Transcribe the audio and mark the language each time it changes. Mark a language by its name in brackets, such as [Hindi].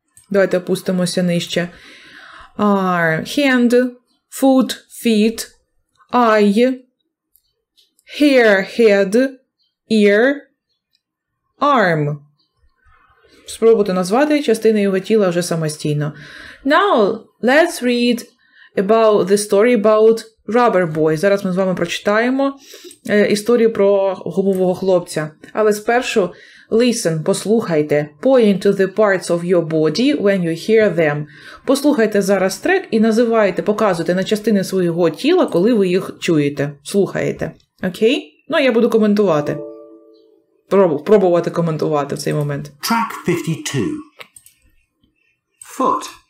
[Ukrainian] Давайте опустимося нижче. [English] Hand, foot, feet, eye, hair, head, ear, arm. [Ukrainian] Спробуйте назвати частини його тіла вже самостійно. [English] Now, let's read about the story about rubber boy. [Ukrainian] Зараз ми з вами прочитаємо історію про гумового хлопця. Але спершу, [English] listen, [Ukrainian] послухайте. [English] Point to the parts of your body when you hear them. [Ukrainian] Послухайте зараз трек і називайте, показуйте на частини свого тіла, коли ви їх чуєте, слухаєте. Окей? Ну, я буду коментувати. Пробувати коментувати в цей момент. [English] Track 52. Foot.